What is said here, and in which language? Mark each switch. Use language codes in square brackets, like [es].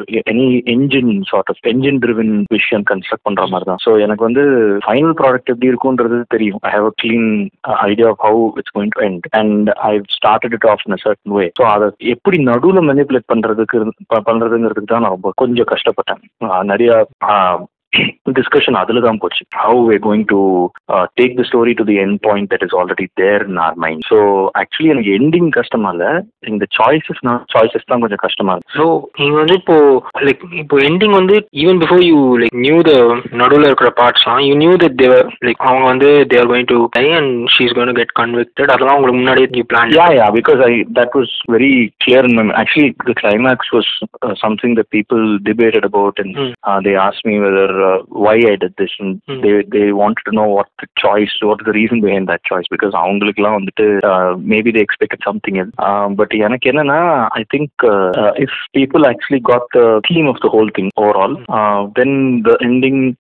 [ta] எனக்கு product எப்படி இருக்கும்ன்றது தெரியும். [en] I have a clean idea of how it's going to end and I've started it off in a certain way. [ta] So அத எப்படி நடுவுல manipulate பண்றதுங்கிறது தான் ரொம்ப கொஞ்சம் கஷ்டப்பட்டேன். நிறைய discussion அதுல தான் போச்சு. [en] How we're going to take the story to the end point that is already there in our mind. [ta] So actually எனக்கு ending கஷ்டமா இல்ல, [en] in the choices [ta] தான் கொஞ்சம் கஷ்டமா இருக்கு. [en] So [ta] நீங்க வந்து இப்போ [en] like இப்போ ending வந்து even before you like knew the [ta] நடுவுல இருக்கிற [en] parts எல்லாம் you knew that they were like [ta] அவங்க வந்து [en] they are going to die and she's going to get convicted. [ta] அதெல்லாம் உங்களுக்கு முன்னாடியே you planned. [en] Yeah, because that was very clear in my mind. Actually the climax was something that people debated about and they asked me whether why I did this and they wanted to know what the reason behind that choice because [ta] avangalukku la vandu [en] maybe they expected something else but [ta] enak enna na [en] I think if people actually got the theme of the whole thing overall then the ending